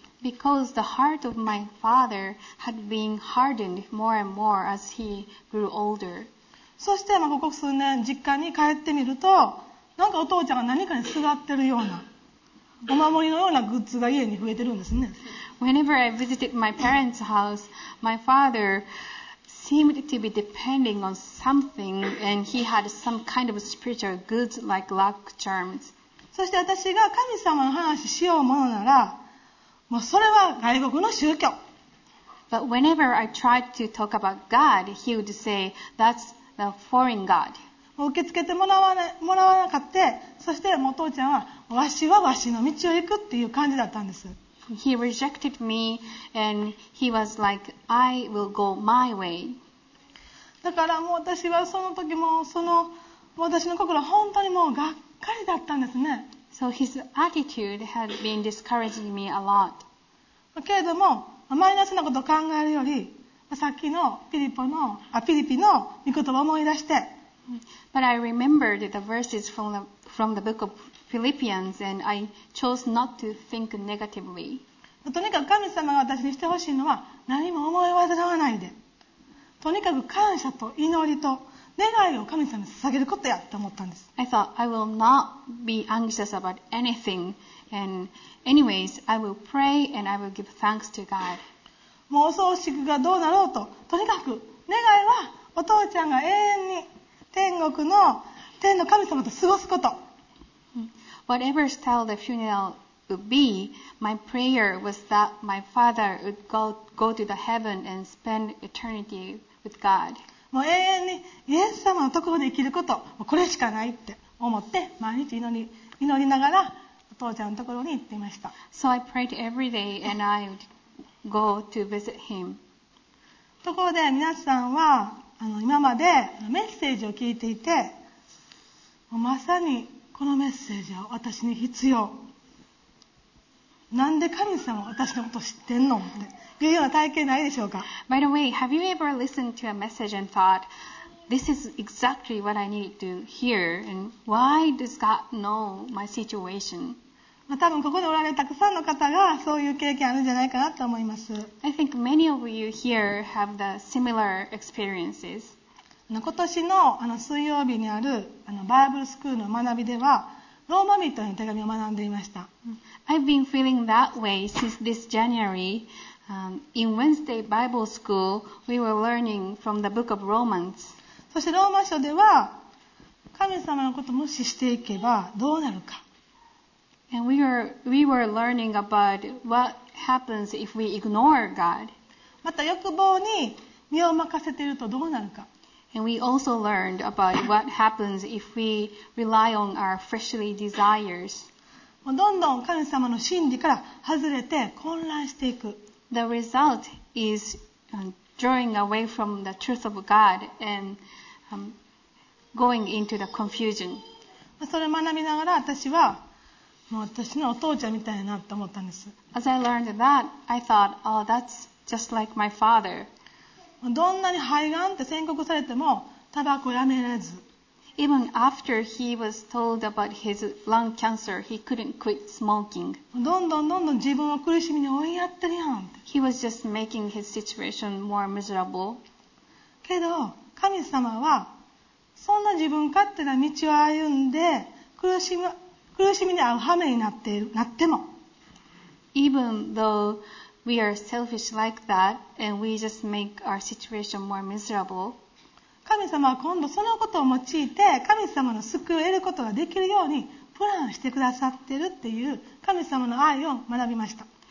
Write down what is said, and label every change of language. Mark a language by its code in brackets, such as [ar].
[en] Because the heart of my father had been hardened more and more as he grew older. [ja] そして、ここ数年実家に帰ってみると、なんかお父ちゃんが何かにすがってるようなお守りのようなグッズが家に増えてるんですね。 [en] Whenever I visited my parents' house, my fatherseemed to be depending on something, and he had some kind of spiritual goods like luck charms. [ja] そして私が神様の話しようものなら、もうそれは外国の宗教。 [en] But whenever I tried to talk about God, he would say, that's the foreign God. [ja] 受け付けてもらわなかった、そしてお父ちゃんは、わしはわしの道を行くっていう感じだったんです。 [en] He rejected me, and he was like, "I will go my way." [ja] だからもう私はその時もその私の心は本当にもうがっかりだったんですね。 [en] So his attitude had been discouraging me a lot. [ja] けれどもマイナスなことを考えるより、さっきのフィリピの御言葉を思い出して。 [en] But I remembered the verses from the book of Philippians, and I chose not to think negatively. [ja] とにかく神様が私にしてほしいのは何も思い煩わないで、とにかく感謝と祈りと願いを神様に捧げることやと思ったんです。 [en] I thought I will not be anxious about anything, and anyways, I will pray and I will give thanks to God. [ja] もうお葬式がどうなろうと、とにかく願いはお父ちゃんが永遠に天国の天の神様と過ごすこと。 [en] whatever style the funeral would be, my prayer was that my father would go to the heaven and spend eternity with God. [ja] もう永遠にイエス様のところで生きること、もうこれしかないって思って毎日祈りながらお父ちゃんのところに行っていました。 [en] So I prayed every day and I would go to visit him. [ja] ところで皆さんは今までメッセージを聞いていて、もうまさにこのメッセージは私に必要。なんで神様は私のこと知ってんのっていうような体験ないでしょうか。 [en] By the way, have you ever listened to a message and thought, this is exactly what I need to hear, and why does God know my situation? [ja] 多分ここでおられるたくさんの方がそういう経験あるんじゃないかなと思います。 [en] I think many of you here have the similar experiences. [ja] 今年の水曜日にあるバイブルスクールの学びでは、ローマ人への手紙を学んでいました。 [en] I've been feeling that way since this January. In Wednesday Bible School, we were learning from the Book of Romans. [ja] そしてローマ書では、神様のことを無視していけばどうなるか。 [en] And we were learning about what happens if we ignore God. [ja] また欲望に身を任せているとどうなるか。 [en] And we also learned about what happens if we rely on our fleshly desires. [ja] どんどん神様の真理から外れて混乱していく。 [en] The result is drawing away from the truth of God and going into the confusion. [ja] それを学びながら私はもう私のお父ちゃんみたいなと思ったんです。 [en] As I learned that, I thought, oh, that's just like my father. [ja] どんなに肺がんって宣告されてもタバコをやめられず。 [en] Even after he was told about his lung cancer, he couldn't quit smoking. [ja] どんどんどんどん自分を苦しみに追いやってるやん。 [en] He was just making his situation more miserable. [ja] けど神様はそんな自分勝手な道を歩んで苦しみに遭う羽目になっている、なっても。 [en] Even thoughWe are selfish like that, and we just make our situation more miserable. [ja] 神様は今度そのことを用いて神様の救いを得ることができるようにプランしてくださってるっていう神様の愛を学びました。